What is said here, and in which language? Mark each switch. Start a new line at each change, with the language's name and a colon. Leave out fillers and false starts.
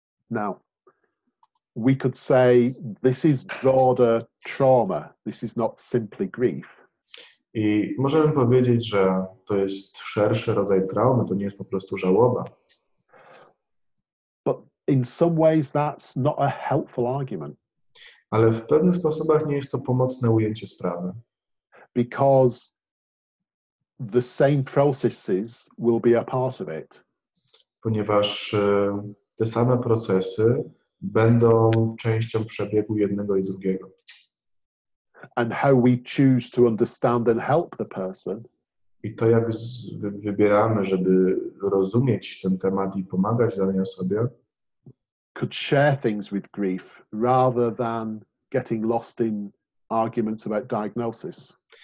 English: Now, we could say this is broader trauma. This is not simply grief.
Polish: I możemy powiedzieć, że to jest szerszy rodzaj traumy, to nie jest po prostu żałoba.
English: But in some ways that's not a helpful argument.
Polish: Ale w pewnych sposobach nie jest to pomocne ujęcie sprawy.
English: Because the same processes will be a part of it.
Polish: Ponieważ te same procesy będą częścią przebiegu jednego i drugiego.
English: And how we choose to understand and help the person.
Polish: I to, jak wybieramy, żeby rozumieć ten temat i pomagać danej osobie,
English: could share things with grief rather than getting lost in arguments about diagnosis.